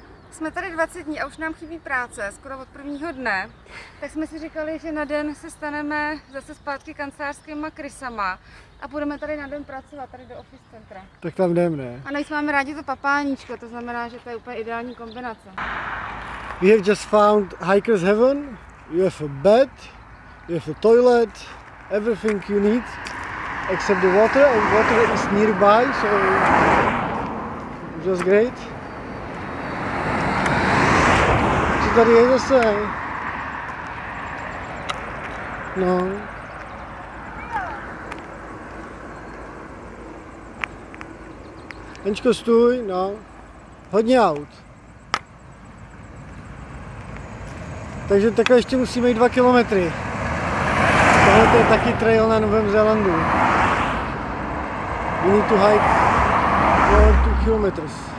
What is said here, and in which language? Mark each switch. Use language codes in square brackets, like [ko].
[cs] Jsme tady 20 dní a už nám chybí práce, skoro od prvního dne. Tak jsme si říkali, že na den se staneme zase zpátky kancelářskýma krysama a budeme tady na den pracovat, tady do office centra. Tak tam jdeme, ne? A nejsme máme rádi to papáníčko, to znamená, že to je úplně ideální kombinace. [en] We have just found hiker's heaven. You have a bed, you have a toilet, everything you need, except the water, and water is nearby, so just great. [cs] Tady je zase. No. Henčko, stůj, no. Hodně aut. Takže takhle ještě musíme jít 2 kilometry. Tohle to je taky trail na Novém Zélandu. [en] We need to hike 4-2 kilometers.